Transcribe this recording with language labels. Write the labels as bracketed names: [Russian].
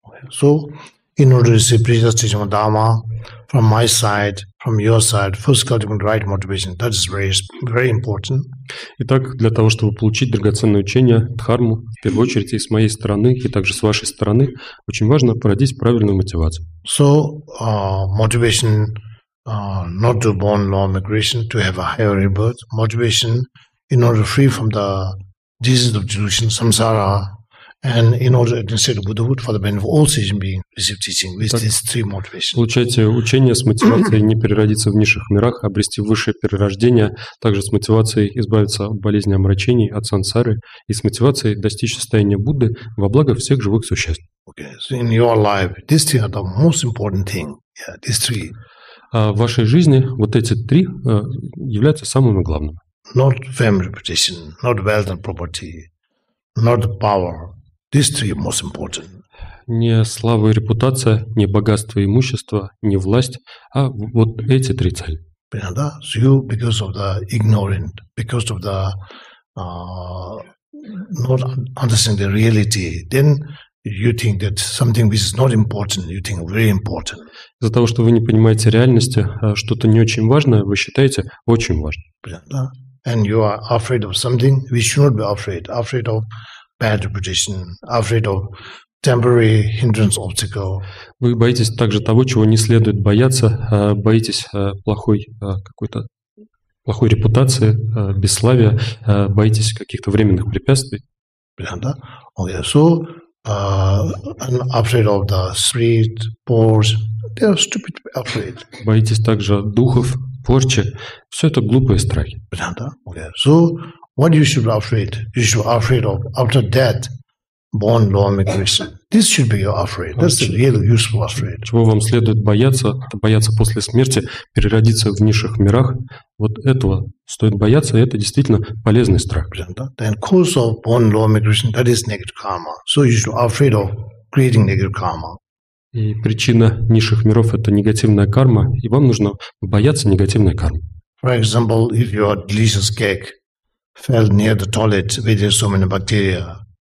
[English] So in order to receive Prajna Sthitama Dharma from my side, from your side, first cultivate the right motivation. That is very, very important. [Russian] Итак, для того, чтобы получить драгоценное учение, дхарму, в первую очередь и с моей стороны, и также с вашей стороны, очень важно породить правильную мотивацию. [English] So, motivation not to born lower migration, to have a higher rebirth. Motivation in order to free from the disease of delusion, samsara, and in order to say the Buddhahood for the benefit of all sentient beings, receive teaching with these three motivations. [Russian] Получайте учение с мотивацией не переродиться в низших мирах, обрести высшее перерождение, также с мотивацией избавиться от болезни омрачений, от сансары, и с мотивацией достичь состояния Будды во благо всех живых существ. [English] Okay, so in your life, these three are the most important thing. Yeah, these three. [Russian] В вашей жизни вот эти три являются самыми главными. [English] Not fame, reputation, not wealth and property, not power. These three are most important. [Russian] Не слава и репутация, не богатство и имущество, не власть, а вот эти три цели. [English] So you, because of the ignorant, because of the not understanding the reality, then you think that something which is not important, you think very important. [Russian] Из-за того, что вы не понимаете реальности, что-то не очень важное, вы считаете очень важным. [English] And you are afraid of something which should not be afraid. Afraid of bad reputation, afraid of temporary hindrance obstacle. [Russian] Вы боитесь также того, чего не следует бояться, боитесь плохой какой-то плохой репутации, бесславия, боитесь каких-то временных препятствий. Да? [English] Okay, so and afraid of the spirit, porch, they are stupid afraid. [Russian] Боитесь также духов, порчи, все это глупые страхи. Да? [English] Okay, so what you should be afraid? You should be afraid of after death, born lower migration. This should be your afraid. That's the real useful afraid. [Russian] Чего вам следует бояться? Это бояться после смерти, переродиться в низших мирах. Вот этого стоит бояться, и это действительно полезный страх. [English] Then cause of born lower migration, that is negative karma. So you should be afraid of creating negative karma. [Russian] И причина низших миров – это негативная карма, и вам нужно бояться негативной кармы. [English] For example, if you are delicious cake, fell near the toilet with so many bacteria.